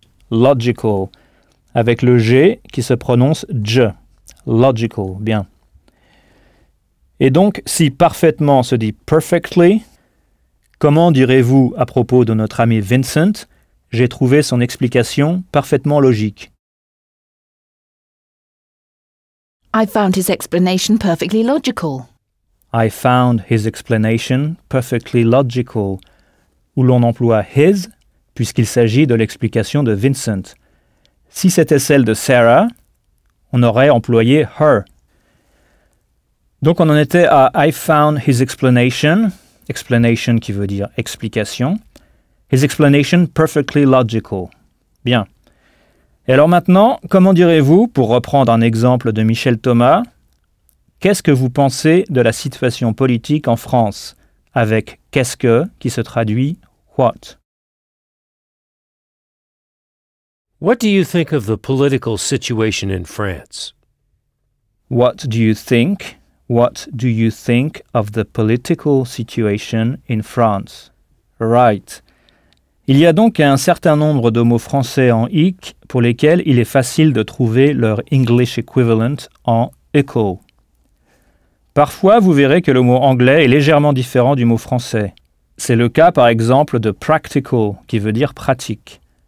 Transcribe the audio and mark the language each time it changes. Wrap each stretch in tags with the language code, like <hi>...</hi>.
<fr>Logical, avec le G qui se prononce J. Logical, bien. Et donc, si parfaitement se dit perfectly, comment direz-vous à propos de notre ami Vincent, j'ai trouvé son explication parfaitement logique.</fr> <en>I found his explanation perfectly logical. I found his explanation perfectly logical.</en> <fr>Où l'on emploie his, puisqu'il s'agit de l'explication de Vincent. Si c'était celle de Sarah, on aurait employé her. Donc on en était à «</fr> <en>I found his explanation</en> <fr>», explanation qui veut dire explication, «</fr> <en>his explanation perfectly logical</en> <fr>». Bien. Et alors maintenant, comment direz-vous, pour reprendre un exemple de Michel Thomas, qu'est-ce que vous pensez de la situation politique en France, avec « qu'est-ce que » qui se traduit « what ».</fr> <en>What do you think of the political situation in France? What do you think? What do you think of the political situation in France? Right.</en> <fr>Il y a donc un certain nombre de mots français en ic pour lesquels il est facile de trouver leur</fr> <en>English equivalent</en> <fr>en echo. Parfois, vous verrez que le mot anglais est légèrement différent du mot français. C'est le cas, par exemple, de practical, qui veut dire pratique.</fr>